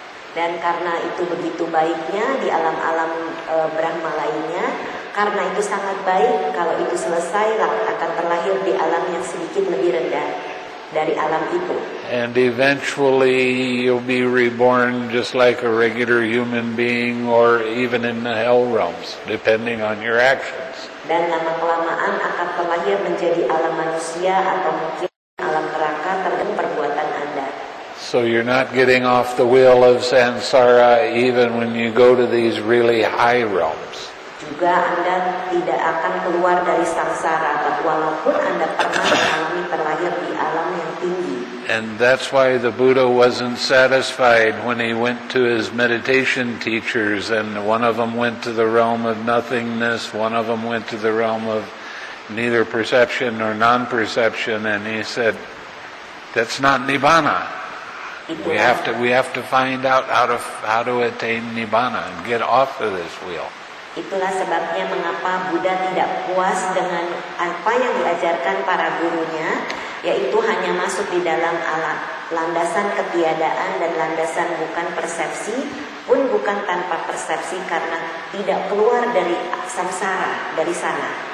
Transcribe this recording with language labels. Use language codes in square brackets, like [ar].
[id] Dan karena itu begitu baiknya di alam-alam Brahma lainnya, karena itu sangat baik, kalau itu selesai, akan terlahir di alam yang sedikit lebih rendah dari alam itu. [en] And eventually you'll be reborn just like a regular human being or even in the hell realms, depending on your actions. [id] Dan lama-kelamaan akan terlahir menjadi alam manusia atau mungkin alam neraka tergantung perbuatan Anda. [en] So you're not getting off the wheel of samsara even when you go to these really high realms. [id] Juga Anda tidak akan keluar dari samsara walaupun Anda pernah mengalami terlahir di alam yang tinggi. [en] And that's why the Buddha wasn't satisfied when he went to his meditation teachers, and one of them went to the realm of nothingness, one of them went to the realm of neither perception nor non-perception, and he said, that's not Nibbana. We have to find out how to attain Nibbana and get off of this wheel. [id] Itulah sebabnya mengapa Buddha tidak puas dengan apa yang diajarkan para gurunya, yaitu hanya masuk di dalam alam landasan ketiadaan dan landasan bukan persepsi pun bukan tanpa persepsi karena tidak keluar dari samsara dari sana.